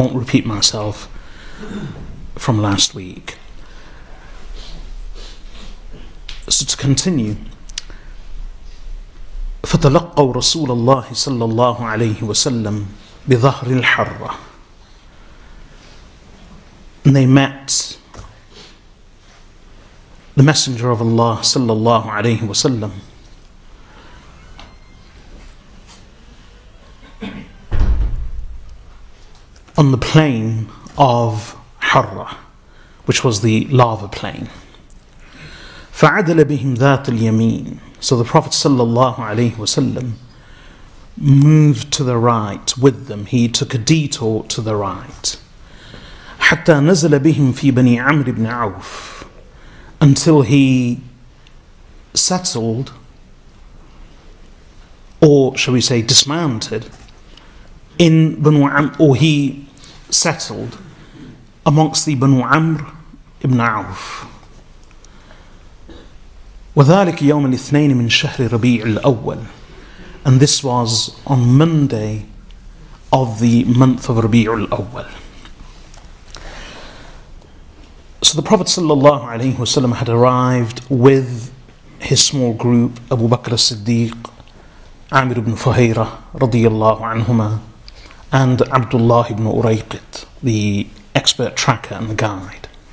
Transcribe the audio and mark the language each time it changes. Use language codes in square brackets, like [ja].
[en] I won't repeat myself from last week. So to continue, [ar] فَتَلَقَّوْ رَسُولَ اللَّهِ صَلَّى اللَّهُ عَلَيْهِ وَسَلَّمْ بِظَهْرِ الْحَرَّةِ. [en] And they met the Messenger of Allah [ar] صَلَّى اللَّهُ عَلَيْهِ وَسَلَّمْ [en] on the plain of حَرَّةِ, which was the lava plain. [ar] فَعَدَلَ بِهِمْ ذَاتِ الْيَمِينِ. [en] So the Prophet sallallahu alayhi wa sallam moved to the right with them. He took a detour to the right. [ar] حَتَّى نَزَلَ بِهِمْ فِي بَنِي عَمْرِ بْنِ عَوْفِ. [en] Until he settled, or shall we say dismounted, in Banu Amr, or he settled amongst the Banu Amr ibn Auf. [ar] وذلك يوم الاثنين من شهر ربيع الأول. [en] And this was on Monday of the month of ربيع الأول. So the Prophet sallallahu alayhi wasallam had arrived with his small group, Abu Bakr as-Siddiq, Amir ibn Fuhayra radiyallahu anhuma, and Abdullah ibn Uraiqit, the expert tracker and the guide.